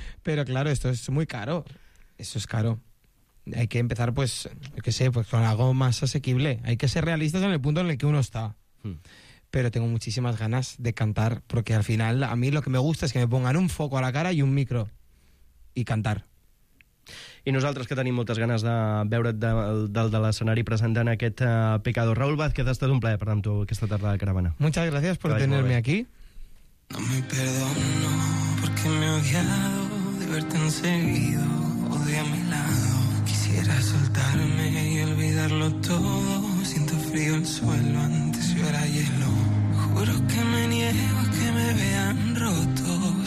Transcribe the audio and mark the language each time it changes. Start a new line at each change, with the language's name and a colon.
Spanish: Pero claro, esto es muy caro. Eso es caro. Hay que empezar, pues, yo qué sé, pues con algo más asequible. Hay que ser realistas en el punto en el que uno está. Pero tengo muchísimas ganas de cantar, porque al final a mí lo que me gusta es que me pongan un foco a la cara y un micro. Y cantar.
Catalan: I nosaltres, que tenim moltes ganes de veure't de l'escenari presentant aquest Pecador. Raúl Vázquez, ha estat un plaer parlar amb tu aquesta tarda de Caravana.
Spanish: Muchas gracias por tenerme aquí. No me perdono porque me he odiado de verte enseguido, odio a mi lado. Quisiera soltarme y olvidarlo todo. Siento frío el suelo, antes yo era hielo. Juro que me niego a que me vean roto.